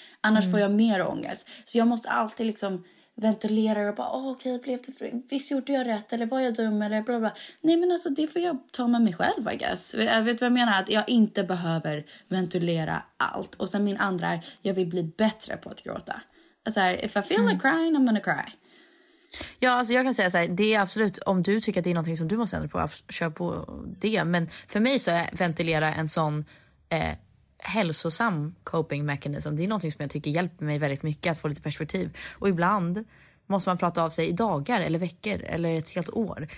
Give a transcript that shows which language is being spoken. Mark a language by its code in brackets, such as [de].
[sv] Annars får jag mer ångest. Så jag måste alltid liksom... ventilerar och bara, okej, blev det visst gjorde jag rätt, eller var jag dum, eller bla bla. Nej, men alltså, det får jag ta med mig själv, [en] I guess. [sv] Vet du vad jag menar? Att jag inte behöver ventilera allt. Och sen min andra är, jag vill bli bättre på att gråta. [en] Alltså, if I feel like crying, I'm gonna cry. [sv] Ja, alltså jag kan säga så här, det är absolut, om du tycker att det är någonting som du måste ändra på, kör på det. Men för mig så är ventilera en sån... hälsosam coping mechanism. Det är något som jag tycker hjälper mig väldigt mycket att få lite perspektiv. Och ibland måste man prata av sig i dagar eller veckor eller ett helt år.